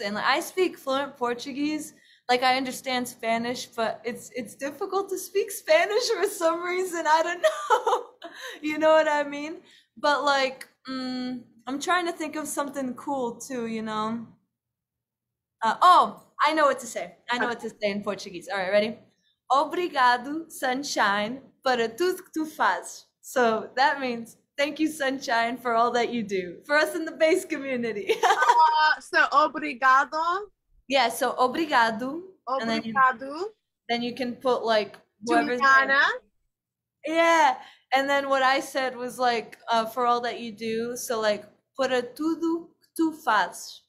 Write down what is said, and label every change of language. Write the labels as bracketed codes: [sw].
[en] And like, I speak fluent Portuguese, like I understand Spanish, but it's difficult to speak Spanish for some reason. I don't know. You know what I mean? But like, I'm trying to think of something cool too, you know. Oh, I know what to say. I know what to say in Portuguese. All right, ready? [pt] Obrigado, sunshine, para tudo que tu fazes. [en] So that means, thank you, sunshine, for all that you do for us in the bass community. So obrigado. Yeah, so obrigado, and [pt] Obrigado. [en] then you can put like whoever's there. Giuliana. Yeah, and then what I said was like for all that you do. So like [pt] para tudo que tu fazes.